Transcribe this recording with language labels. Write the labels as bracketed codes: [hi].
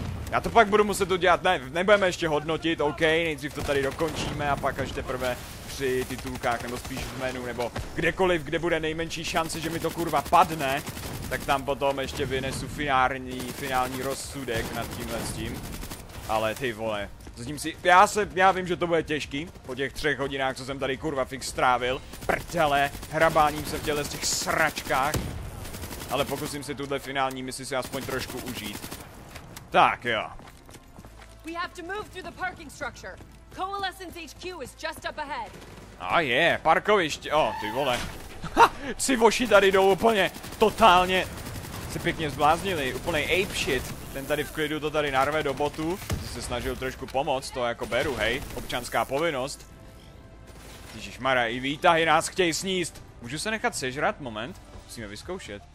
[cs] Já to pak budu muset udělat, ne, nebudeme ještě hodnotit, OK, nejdřív to tady dokončíme a pak až teprve při titulkách, nebo spíš v menu, nebo kdekoliv, kde bude nejmenší šance, že mi to kurva padne, tak tam potom ještě vynesu finální rozsudek nad tímhle s tím. Ale ty vole. Zatím si, já vím, že to bude těžký, po těch 3 hodinách, co jsem tady kurva fix strávil, prdele, hrabáním se v těle z těch sračkách, ale pokusím si tuhle finální misi si aspoň trošku užít. Tak jo. [en] We have to move through the parking structure. Coalescence HQ is just up ahead. Oh yeah, [cs] parkoviště, oh, ty vole. Ha, si voši tady jdou úplně, totálně, se pěkně zbláznili, úplnej [en] ape shit. [cs] Ten tady v klidu to tady narve do botu. Se snažil trošku pomoct, to jako beru, hej, občanská povinnost. Ježišmarja, i výtahy nás chtějí sníst. Můžu se nechat sežrat, moment, musíme vyzkoušet.